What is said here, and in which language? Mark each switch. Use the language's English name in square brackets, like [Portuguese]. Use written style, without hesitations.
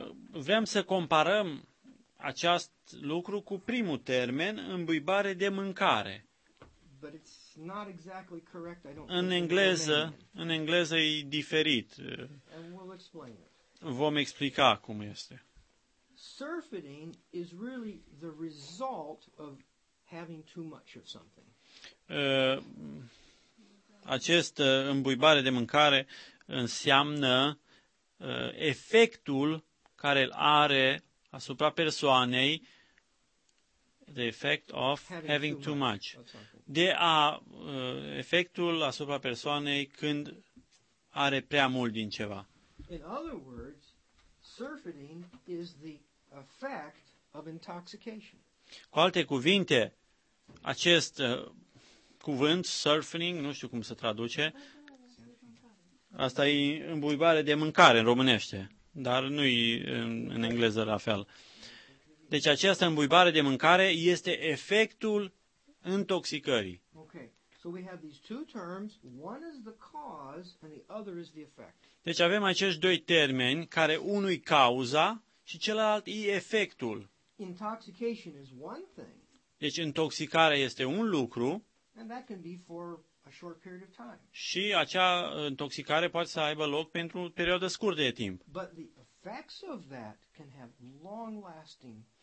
[Romanian] Vrem să comparăm acest lucru cu primul termen, îmbuibare de mâncare. [English] But it's not exactly correct. I don't [Romanian] în engleză, în engleză e diferit. [English] And we'll explain it. [Romanian] Vom explica cum este. [English] Surfeiting is really the result of having too much of something. [Romanian] Acest îmbuibare de mâncare înseamnă efectul care îl are asupra persoanei, [English] the effect of having too much. [Romanian] De a efectul asupra persoanei când are prea mult din ceva. [English] In other words, surfeiting is the effect of intoxication. [Romanian] Cu alte cuvinte, acest cuvânt surfeiting, nu știu cum se traduce. Asta e îmbuibare de mâncare în românește, dar nu e în engleză la fel. Deci această îmbuibare de mâncare este efectul intoxicării. [English] Okay. So we have these two terms, one is the cause and the other is the effect. [Romanian] Deci avem acești doi termeni care unul e cauza și celălalt e efectul. [English] Intoxication is one thing. [Romanian] Deci intoxicarea este un lucru. [English] And that can be for a short period of time. [Romanian] Și acea intoxicare poate să aibă loc pentru o perioadă scurtă de timp. [English] But the effects of that can have long-lasting.